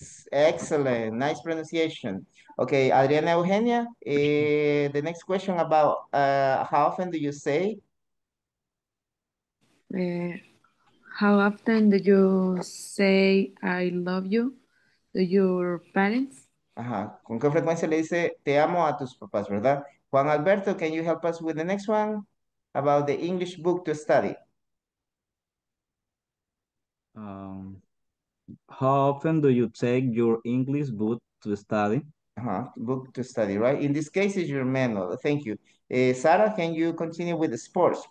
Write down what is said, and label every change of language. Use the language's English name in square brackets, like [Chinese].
[English] Excellent, nice pronunciation. Okay, Adriana Eugenia, the next question about how often do you say? How often do you say I love you to your parents? [Spanish] ¿Con qué frecuencia le dice te amo a tus papás, verdad? [English] Juan Alberto, can you help us with the next one about the English book to study? How often do you take your English book to study? Book to study, right? In this case, it's your manual. Thank you. Sara, can you continue with the sports?